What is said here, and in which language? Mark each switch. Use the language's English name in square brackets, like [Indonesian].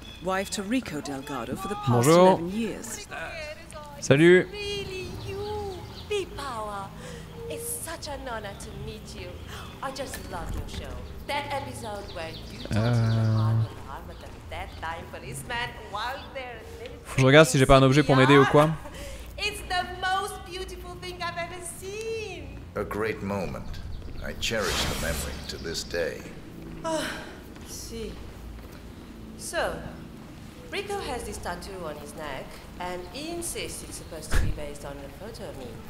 [English] Wife to Rico Delgado for the past 11 years. [French] Salut. [English] Really, you, B-Power. It's such an honor to meet you. I just love your show. That episode where you talk to the heart of the dead time policeman while they're living. [French] Faut que je regarde si j'ai pas un objet pour m'aider ou quoi. [English] It's the most beautiful thing I've ever seen. A great moment. I cherish the memory to this day. [French] Oh, si. [English] So, Rico has this tattoo on his neck, and he insists it's supposed to be based on a photo of me.